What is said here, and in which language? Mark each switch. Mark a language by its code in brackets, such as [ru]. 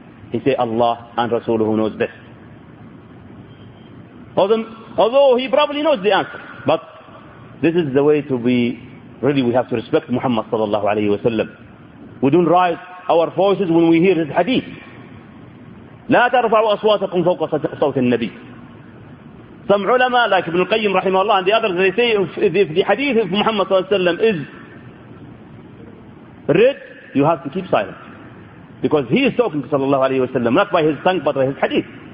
[en] He says, Allah and Rasuluhu knows best. Although he probably knows the answer, but this is the way to be, really we have to respect Muhammad sallallahu alayhi wa sallam. We don't raise our voices when we hear his hadith. [ar] لا ترفعوا أصواتكم فوق صوت النبي. [en] Some ulama like Ibn al-Qayyim رحمه الله and the others, they say if the hadith of Muhammad sallallahu alayhi wa sallam is read, you have to keep silent. Because he is talking to sallallahu alayhi wa sallam, not by his tongue but by his hadith.